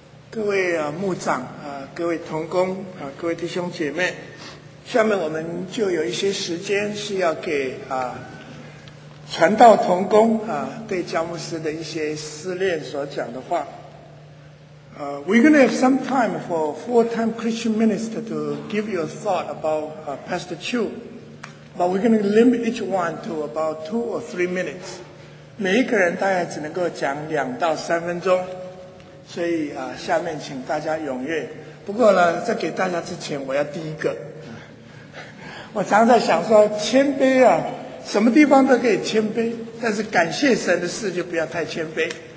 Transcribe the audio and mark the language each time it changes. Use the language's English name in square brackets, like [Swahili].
[Chinese] 各位牧长各位同工各位弟兄姐妹，下面我们就有一些时间是要给传道同工对乔牧师的一些思念所讲的话。 [English] We're going to have some time for full-time Christian minister to give you a thought about Pastor Chu, but we're going to limit each one to about 2 or 3 minutes. [Chinese] 每一个人大概只能够讲2到3分钟，所以下面请大家踊跃。不过呢，在给大家之前，我要第一个。我常在想说，谦卑啊，什么地方都可以谦卑，但是感谢神的事就不要太谦卑。